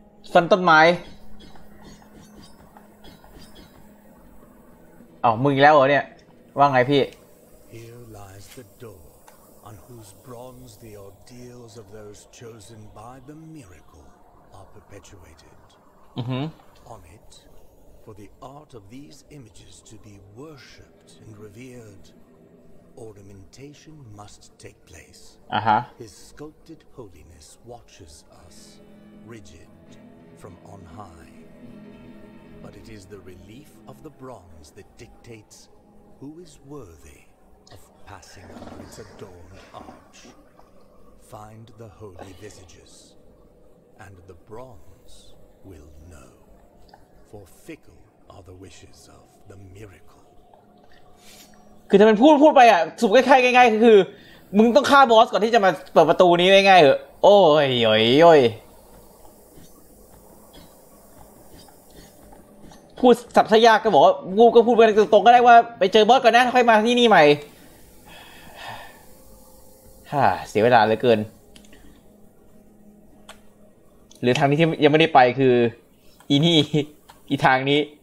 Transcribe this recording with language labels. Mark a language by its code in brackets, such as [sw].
[th] ส ฟันต้นไม้เอ้ามึงแล้วเหรอเนี่ยว่าไงพี่ [en] Here lies the door on whose bronze the ordeals of those chosen by the miracle are perpetuated On it for the art of these images to be worshipped and reveredOrnamentation must take place. Uh-huh. His sculpted holiness watches us, rigid, from on high. But it is the relief of the bronze that dictates who is worthy of passing under its adorned arch. Find the holy visages, and the bronze will know. For fickle are the wishes of the miracle. [th] คือถ้ามันพูดไปอ่ะสุบคล้ายๆง่ายๆคือมึงต้องฆ่าบอสก่อนที่จะมาเปิดประตูนี้ง่ายๆเหรอโอ้ยโอ้ยโอ้ยพูดสับสยากก็บอกว่ากูก็พูดไปตรงๆก็ได้ว่าไปเจอบอสก่อนนะค่อยมาที่นี่ใหม่ฮ่าเสียเวลาเหลือเกินหรือทางนี้ที่ยังไม่ได้ไปคืออีนี่อีทางนี้